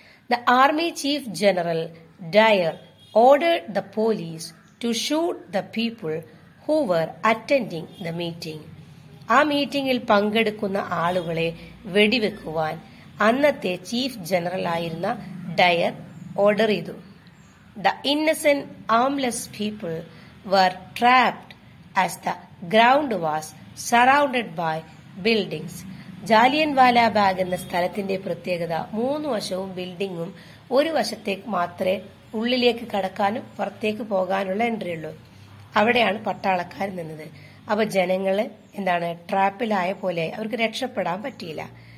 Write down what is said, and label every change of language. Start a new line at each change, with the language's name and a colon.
English: The army chief General Dyer ordered the police to shoot the people who were attending the meeting.
Malayalam: ആ മീറ്റിംഗിൽ പങ്കെടുക്കുന്ന ആളുകളെ വെടിവെക്കുവാൻ അന്നത്തെ chief general ആയിരുന്ന ഡയർ ഓർഡർ ചെയ്തു.
English: The innocent armless people were trapped as the ground was surrounded by buildings.
Malayalam: Jallianwala bag എന്ന സ്ഥലത്തിന്റെ പ്രത്യേകത, മൂന്ന് വശവും ബിൽഡിംഗും, ഒരു വശത്തേക്ക് മാത്രമേ ഉള്ളിലേക്ക് കടക്കാനും പുറത്തേക്ക് പോകാനുള്ള എൻട്രി ഉള്ളൂ. അവിടെയാണ് പട്ടാളക്കാർ നിന്നത്. അപ്പൊ ജനങ്ങൾ എന്താണ് ട്രാപ്പിലായ പോലെ അവർക്ക് രക്ഷപ്പെടാൻ പറ്റിയില്ല.